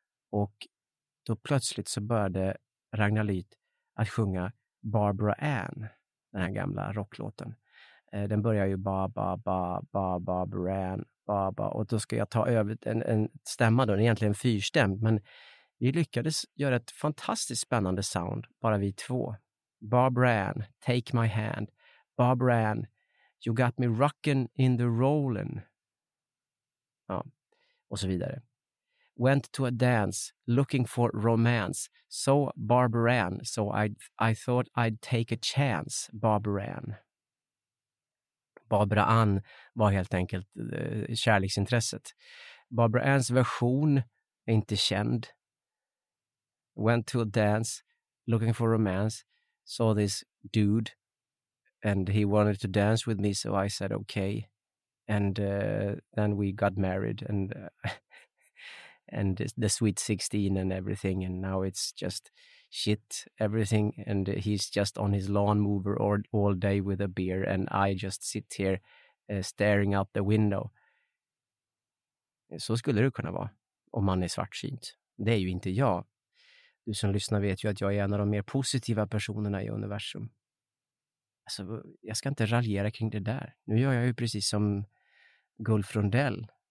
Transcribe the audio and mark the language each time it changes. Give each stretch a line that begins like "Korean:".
Swedish: Och då plötsligt så började Ragnar Lyth att sjunga Barbara Ann, den här gamla rocklåten. Den börjar ju ba ba ba ba ba ba, och då ska jag ta över en stämma då, egentligen en fyrstäm, men vi lyckades göra ett fantastiskt spännande sound, bara vi två.
English: Barbara Ann, take my hand. Barbara Ann, you got me rockin' in the rollin'.
Swedish: Ja, och så vidare.
English: Went to a dance, looking for romance. So Barbara Ann, so I thought I'd take a chance, Barbara Ann.
Swedish: Barbara Ann var helt enkelt kärleksintresset. Barbara Anns version är inte känd.
English: Went to a dance, looking for romance, saw this dude and he wanted to dance with me, so I said okay. And then we got married and the sweet 16 and everything, and now it's just shit, everything, and he's just on his lawnmower all day with a beer, and I just sit here staring out the window.
Swedish: Så skulle det kunna vara, om man är svartsynt. Det är ju inte jag. Du som lyssnar vet ju att jag är en av de mer positiva personerna i universum. Alltså, jag ska inte raljera kring det där. Nu gör jag ju precis som Gulf Rondell.